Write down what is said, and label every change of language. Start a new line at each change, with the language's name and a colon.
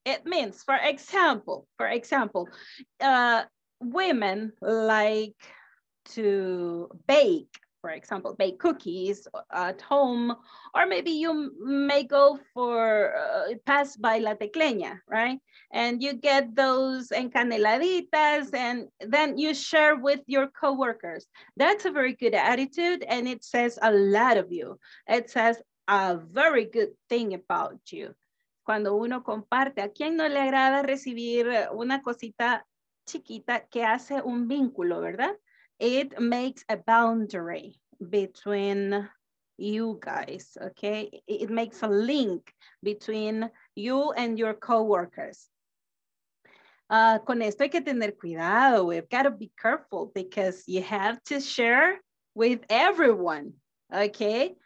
English: It means, for example, women like to bake, for example, bake cookies at home, or maybe you may go for pass by La Tecleña, right? And you get those encaneladitas and then you share with your coworkers. That's a very good attitude and it says a lot of you. It says a very good thing about you.
Spanish: Cuando uno comparte, ¿a quién no le agrada recibir una cosita chiquita que hace un vínculo, verdad?
English: It makes a boundary between you guys, okay? It makes a link between you and your coworkers.
Spanish: Con esto hay que tener cuidado.
English: We've got to be careful because you have to share with everyone, okay?